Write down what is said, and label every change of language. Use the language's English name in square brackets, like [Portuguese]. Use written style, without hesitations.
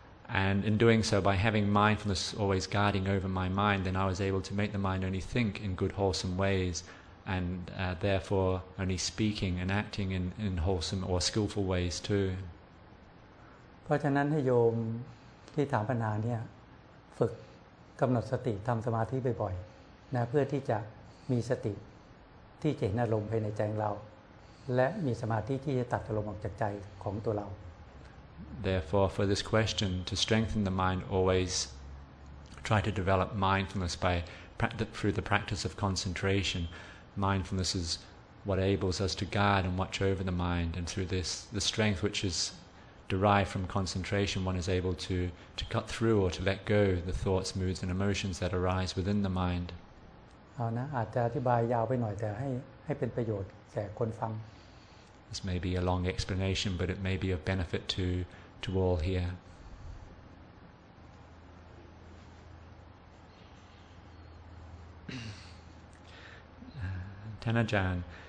[English] And in doing so, by having mindfulness always guarding over my mind, then I was able to make the mind only think in good wholesome ways, and therefore only speaking and acting in wholesome or skillful ways too. [Thai] เพราะฉะนั้นให้โยมที่ถามปัญหาเนี่ยฝึกกำหนดสติทำสมาธิบ่อยๆนะเพื่อที่จะมีสติที่จะเห็นอารมณ์ภายในใจเราและมีสมาธิที่จะตัดอารมณ์ออกจากใจของตัวเรา [English] Therefore for this question to strengthen the mind always try to develop mindfulness by through the practice of concentration mindfulness is what enables us to guard and watch over the mind and through this the strength which isderived from concentration one is able to cut through or to let go the thoughts moods and emotions that arise within the mind [Thai] เอานะอาจจะอธิบายยาวไปหน่อยแต่ให้เป็นประโยชน์แก่คนฟัง [English] This may be a long explanation but it may be of benefit to all here Tanajan